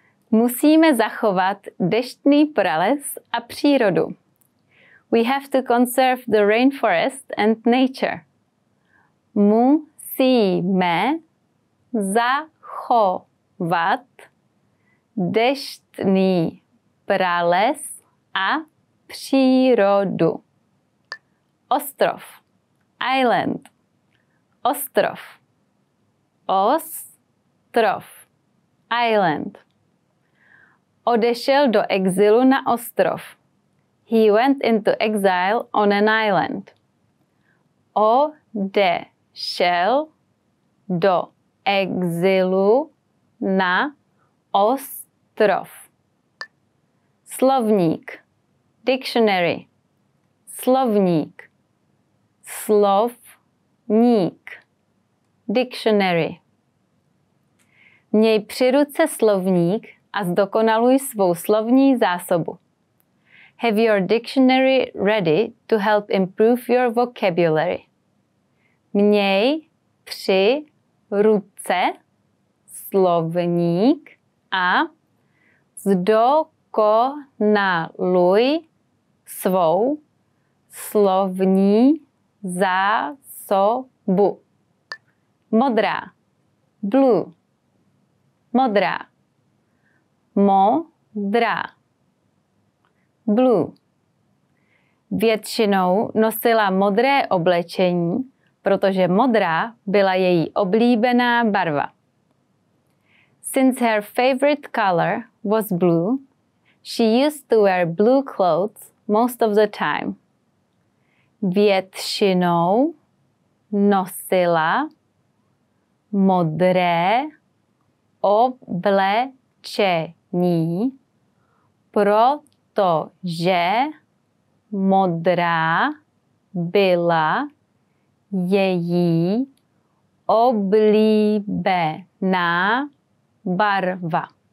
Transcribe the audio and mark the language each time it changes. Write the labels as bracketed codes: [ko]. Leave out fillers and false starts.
[cs] Musíme zachovat deštný prales a přírodu. [en] We have to conserve the rainforest and nature. [cs] Musíme zachovat deštný prales a přírodu. Ostrov. [en] Island. [cs] Ostrov. Ostrov. [en] Island. [cs] Odešel do exilu na ostrov. [en] He went into exile on an island. [cs] Odešel do exilu na ostrov. Slovník. [en] Dictionary. [cs] Slovník. Slovník. [en] Dictionary. [cs] Měj při ruce slovník a zdokonaluj svou slovní zásobu. [en] Have your dictionary ready to help improve your vocabulary. [cs] Měj při ruce slovník a zdokonaluj svou slovní zásobu. Modrá. [en] Blue. [cs] Modrá. Modrá. [en] Blue. [cs] Většinou nosila modré oblečení, protože modrá byla její oblíbená barva. [en] Since her favorite color was blue, she used to wear blue clothes most of the time. [cs] Většinou nosila modré oblečení, protože modrá byla její oblíbená barva.